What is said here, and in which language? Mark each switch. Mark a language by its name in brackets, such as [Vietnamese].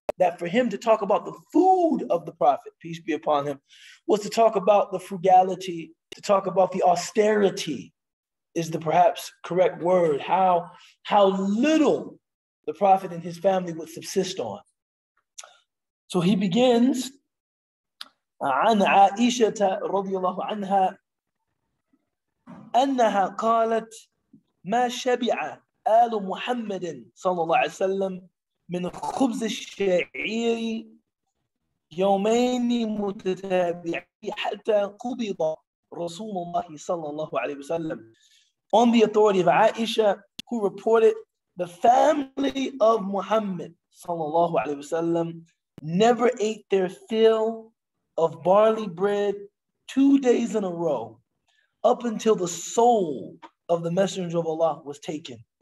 [English] That for him to talk about the food of the Prophet, peace be upon him, was to talk about the frugality, to talk about the austerity is the perhaps correct word, how little the Prophet and his family would subsist on. So he begins, [Arabic] عن عائشة رضي الله عنها أنها قالت ما شبع آل محمد صلى الله عليه وسلم من خبز الشعير يومين متتابعين حتى قبض رسول الله صلى الله عليه وسلم. [English] On the authority of Aisha, who reported, the family of Muhammad [Arabic] صلى الله عليه وسلم [English] never ate their fill of barley bread 2 days in a row up until the soul of the Messenger of Allah was taken.